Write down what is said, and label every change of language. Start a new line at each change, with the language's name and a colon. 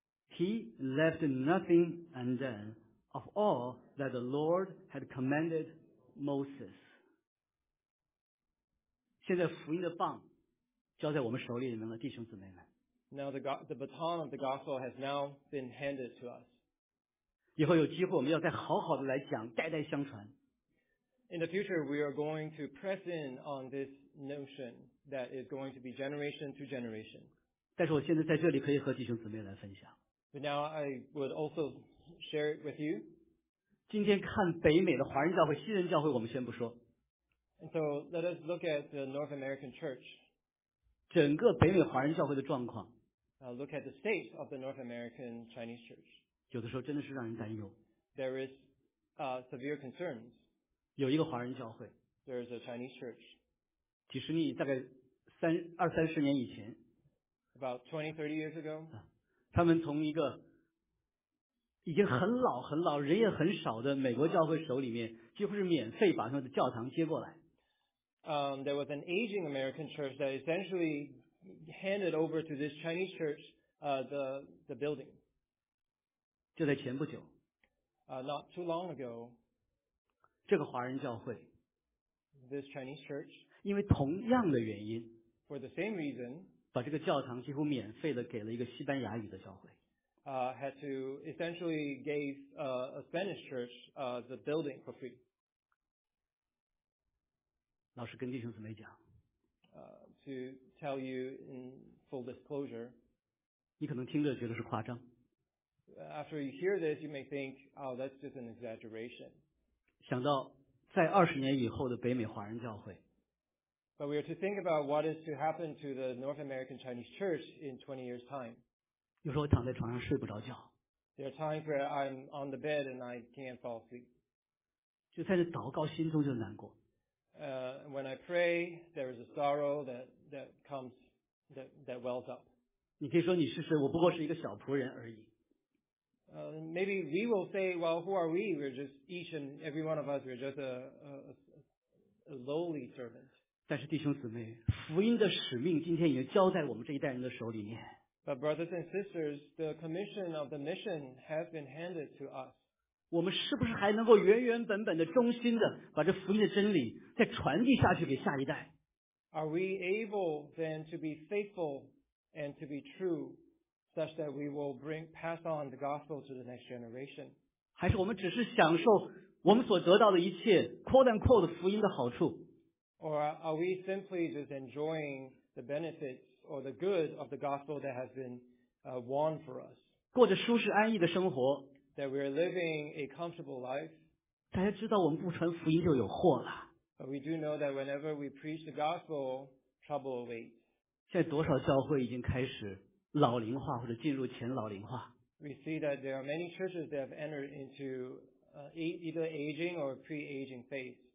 English: He left nothing undone of all that the Lord had commanded Moses.
Chinese: 现在福音的棒交在我们手里面了，弟兄姊妹们。
English: Now the baton of the gospel has now been handed to us.
Chinese: 以后有机会我们要再好好的来讲，代代相传。
English: In the future, we are going to press in on this notion that is going to be generation to generation.
Chinese: 但是我现在在这里可以和弟兄姊妹来分享。
English: But now I would also share it with you.
Chinese: 今天看北美的华人教会、西人教会，我们先不说。
English: And so let us look at the North American Church.
Chinese: 整个北美华人教会的状况。
English: Look at the state of the North American Chinese Church.
Chinese: 有的时候真的是让人担忧。
English: There is severe concerns.
Chinese: 有一个华人教会，
English: There is a Chinese church.
Chinese: 几十年，大概二三十年以前，
English: About 20-30 years ago，
Chinese: 他们从一个已经很老很老，人也很少的美国教会手里面，几乎是免费把他们的教堂接过来。
English: There was an aging American church that essentially handed over to this Chinese church, the building.
Chinese: 就在前不久。
English: Not too long ago.
Chinese: 这个华人教会
English: This Chinese church,
Chinese: 因为同样的原因
English: for the same reason,
Chinese: 把这个教堂几乎免费的给了一个西班牙语的教会
English: had to essentially gave a Spanish church the building for free.
Chinese: 老实跟弟兄姊妹讲
English: to tell you in full disclosure,
Chinese: 你可能听着觉得是夸张
English: After you hear this, you may think, oh, that's just an exaggeration.
Chinese: 想到在二十年以后的北美华人教会
English: But we are to think about what is to happen to the North American Chinese Church in 20 years' time.
Chinese: 有时候躺在床上睡不着觉
English: There are times where I'm on the bed and I can't fall asleep.
Chinese: 就在那祷告心中就难过
English: When I pray, there is a sorrow that comes, that wells up.
Chinese: 你可以说你是谁，我不过是一个小仆人而已。
English: Maybe we will say, well, who are we? We're just each and every one of us, we're just a lowly servant.
Chinese: 但是弟兄姊妹，福音的使命今天已经交在我们这一代人的手里面。
English: But brothers and sisters, the commission of the mission has been handed to us.
Chinese: 我们是不是还能够原原本本的、忠心的把这福音的真理再传递下去给下一代？
English: Are we able then to be faithful and to be true? Such that we will pass on the gospel to the next generation.
Chinese: 还是我们只是享受我们所得到的一切
English: quote unquote
Chinese: 福音的好处？
English: Or are we simply just enjoying the benefits or the good of the gospel that has been won for us?
Chinese: 过着舒适安逸的生活。
English: That we are living a comfortable life.
Chinese: 大家知道我们不传福音就有祸了。
English: But we do know that whenever we preach the gospel, trouble awaits.
Chinese: 现在多少教会已经开始老龄化或者进入前老龄化。
English: We see that there are many churches that have entered into either aging or pre-aging phase.